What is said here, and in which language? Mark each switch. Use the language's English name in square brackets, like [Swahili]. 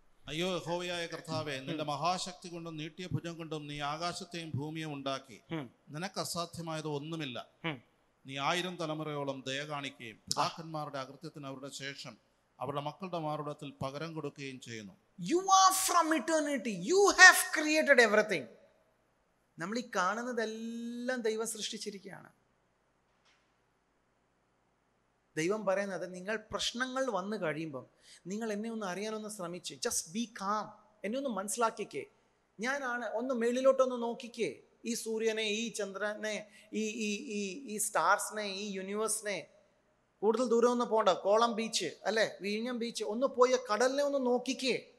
[Malayalam] അയ്യോ യഹോവയായ കർത്താവേ, നിന്റെ മഹാശക്തി കൊണ്ടും നീട്ടിയ ഭുജം കൊണ്ടും നീ ആകാശത്തെയും ഭൂമിയും ഉണ്ടാക്കി. നിനക്ക് അസാധ്യമായത് ഒന്നുമില്ല. നീ 1000 തലമുറയോളം ദയ കാണിക്കുകയും പിതാക്കന്മാരുടെ അകൃത്യത്തിന് അവരുടെ ശേഷം അവരുടെ മക്കളുടെ മാറുടത്തിൽ പകരം കൊടുക്കുകയും ചെയ്യുന്നു. [English] You are from eternity. You have created everything. [Malayalam] നമ്മൾ ഈ കാണുന്നതെല്ലാം ദൈവം സൃഷ്ടിച്ചിരിക്കുകയാണ്. ദൈവം പറയുന്നത്, നിങ്ങൾ പ്രശ്നങ്ങൾ വന്നു കഴിയുമ്പം നിങ്ങൾ എന്നെ ഒന്ന് അറിയാനൊന്ന് ശ്രമിച്ച് [English] just be calm, [Malayalam] എന്നെ ഒന്ന് മനസ്സിലാക്കിക്കേ, ഞാനാണ്, ഒന്ന് മേളിലോട്ടൊന്ന് നോക്കിക്കേ, ഈ സൂര്യനെ, ഈ ചന്ദ്രനെ, ഈ ഈ ഈ ഈ സ്റ്റാർസിനെ, ഈ യൂണിവേഴ്സിനെ, കൂടുതൽ ദൂരം ഒന്ന് പോകണ്ട, കോളം ബീച്ച് അല്ലേ, വിഴിഞ്ഞം ബീച്ച് ഒന്ന് പോയി, കടലിനെ ഒന്ന് നോക്കിക്കേ,